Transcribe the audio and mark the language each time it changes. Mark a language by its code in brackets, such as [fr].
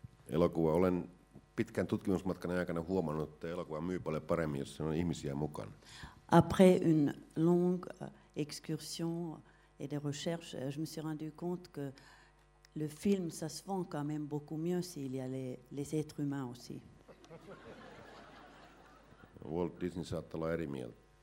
[fi] Elokuva olen pitkän tutkimusmatkan aikana huomannut, että elokuva myy paljon paremmin, jos siinä on ihmisiä mukana. [fr] Après une longue excursion et des recherches, je me suis rendu compte que le film, ça se vend quand même beaucoup mieux s'il y a les êtres humains aussi. [fi] Walt Disney saattaa olla eri mieltä.